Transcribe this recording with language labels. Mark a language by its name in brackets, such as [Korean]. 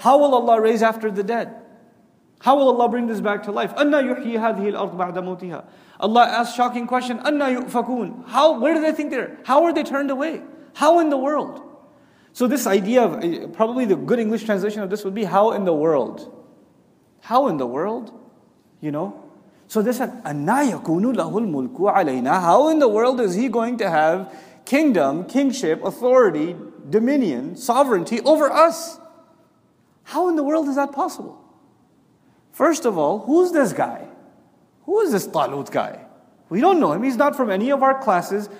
[English] How will Allah raise after the dead? How will Allah bring this back to life? [Arabic] Anna yuhyi hadhihi al-ard ba'da mawtiha. [English] Allah asks shocking question. [Arabic] Anna yu'fakun. [English] How, where do they think they're? How are they turned away? How in the world? So this idea of, probably the good English translation of this would be, how in the world? How in the world? You know? So they said, [Arabic] أَنَّا يَكُونُ لَهُ الْمُلْكُ عَلَيْنَا. [English] How in the world is he going to have kingdom, kingship, authority, dominion, sovereignty over us? How in the world is that possible? First of all, who's this guy? Who is this Talut guy? We don't know him. He's not from any of our classes.